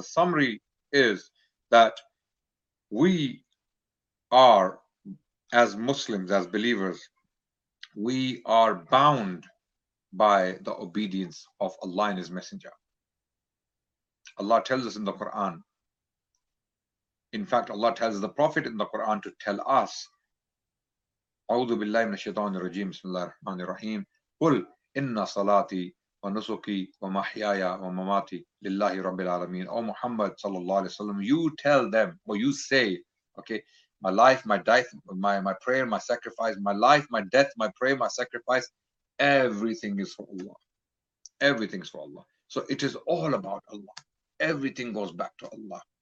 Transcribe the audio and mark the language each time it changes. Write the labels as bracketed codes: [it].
[en] The summary is that we are, as Muslims, as believers, we are bound by the obedience of Allah and His Messenger. Allah tells us in the Quran. In fact, Allah tells the Prophet in the Quran to tell us, [ar] أَعُوذُ بِاللَّهِ مِنَ الشَّيْطَانِ الرَّجِيمِ بِسْمِ اللَّهِ الرَّحْمَنِ الرَّحِيمِ قُلْ إِنَّ صَلَاتِي وَنُسُكِي وَمَحْيَايَ وَمَمَاتِي لِلَّهِ رَبِّ الْعَالَمِينَ. [en] O Muhammad sallallahu alaihi wasallam, you tell them, or you say, okay, my life, my death, my prayer, my sacrifice, my life, my death, my prayer, my sacrifice, everything is for Allah. Everything is for Allah. So it is all about Allah. Everything goes back to Allah.